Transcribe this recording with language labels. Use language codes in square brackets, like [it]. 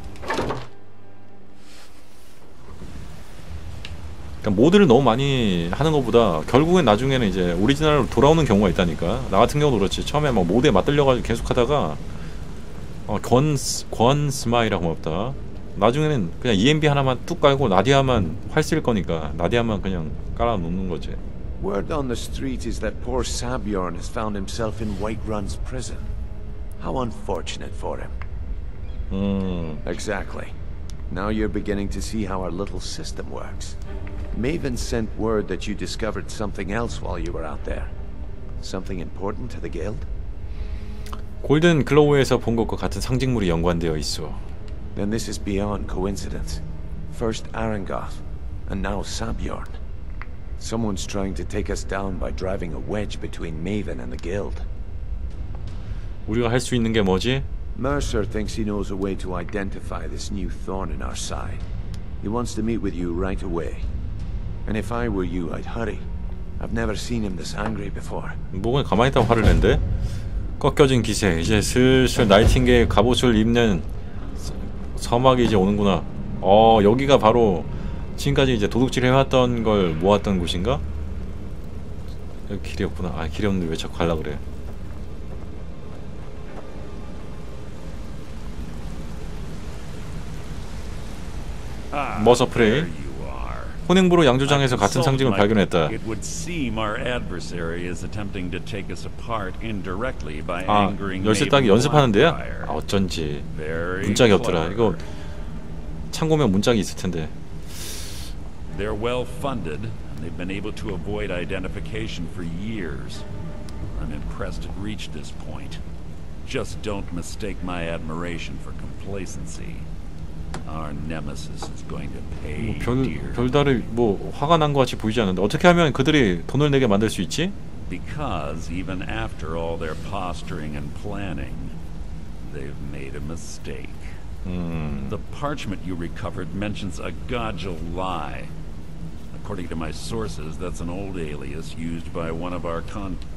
[ko] 그러니까 모드를 너무 많이 하는 것보다 결국엔 나중에는 이제 오리지널로 돌아오는 경우가 있다니까. 나 같은 경우도 그렇지. 처음에 막 모드에 맞들려가지고 계속 하다가 권 스마이라 고맙다. 나중에는 그냥 EMB 하나만 뚝 깔고 나디아만 활 쓸 거니까 나디아만 그냥 깔아 놓는 거지. [en] Word on the street is that poor Sabion has found himself in Whiterun's prison. How unfortunate for him. Exactly. Now you're beginning to see how our little system works. Maven sent word that you discovered something else while you were out there. Something important to the guild? [ko] 골든 글로우에서 본 것과 같은 상징물이 연관되어 있어. [en] Then this is beyond coincidence. First Arangoth, and now Sabjorn. Someone's trying to take us down by driving a wedge between Maven and the guild. [ko] 우리가 할 수 있는 게 뭐지? [en] Mercer thinks he knows a way to identify this new thorn in our side. He wants to meet with you right away. And if I were you, I'd hurry. I've never seen him this angry before. [ko] 뭐가 가만히 있다 화를 낸데? 꺾여진 기세. 이제 슬슬 나이팅게일 갑옷을 입는 서막이 이제 오는구나. 여기가 바로 지금까지 이제 도둑질 해왔던 걸 모았던 곳인가? 여기 길이 없구나. 길이 없는데 왜 자꾸 가려고 그래? 머서프레이. 혼행부로 양조장에서 같은 상징을 발견했다. 열쇠 따기 연습하는데요? 어쩐지 문짝이 없더라. 이거 참고면 문짝이 있을 텐데. [en] They're well funded and they've been able to avoid identification for years. I'm impressed it reached this point. Just don't mistake my admiration for complacency. Our nemesis is going to pay. [ko] 별다른 뭐 화가 난 것 같이 보이지 않는데 어떻게 하면 그들이 돈을 내게 만들 수 있지? [en] Because even after all their posturing and planning, they've made a mistake. The parchment you recovered mentions a Gajal lie. According to my sources, that's an old alias used by one of our con.